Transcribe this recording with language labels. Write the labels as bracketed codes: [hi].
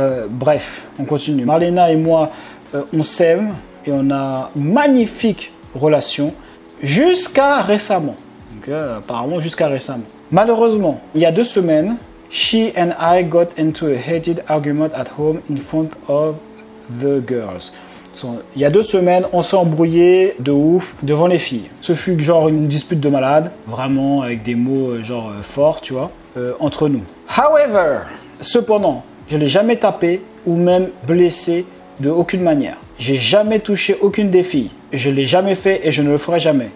[fr] Bref, on continue. Marlena et moi, on s'aime et on a une magnifique relation jusqu'à récemment. Donc, apparemment, jusqu'à récemment. Malheureusement, il y a 2 semaines, [en] she and I got into a heated argument at home in front of the girls. [fr] Il y a 2 semaines, on s'est embrouillé de ouf devant les filles. Ce fut genre une dispute de malade, vraiment avec des mots genre forts, tu vois, entre nous. However, cependant, je ne l'ai jamais tapé ou même blessé de aucune manière. Je n'ai jamais touché aucune des filles. Je ne l'ai jamais fait et je ne le ferai jamais.